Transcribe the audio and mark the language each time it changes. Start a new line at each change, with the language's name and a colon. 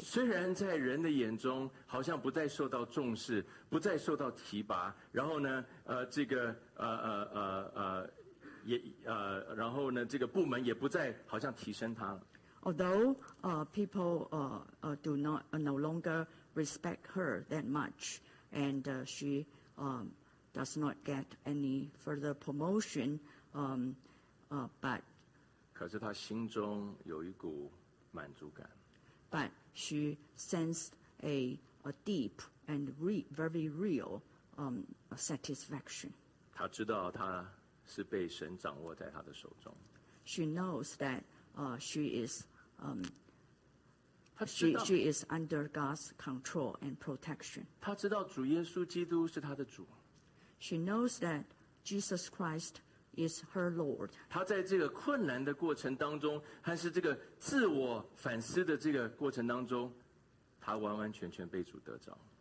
Chinese: 虽然在人的眼中好像不再受到重视，不再受到提拔，然后呢，这个部门也不再好像提升她了。
English: Although people do not no longer respect her that much, and she does not get any further promotion, but.
Chinese: 可是他心中有一股满足感。
English: But she sensed a deep and very real satisfaction.
Chinese: 他知道他是被神掌握在他的手中。
English: She knows that she is under God's control and protection.
Chinese: 他知道主耶稣基督是他的主。
English: She knows that Jesus Christ is her Lord.
Chinese: 他在这个困难的过程当中，还是这个自我反思的这个过程当中，他完完全全被主得着。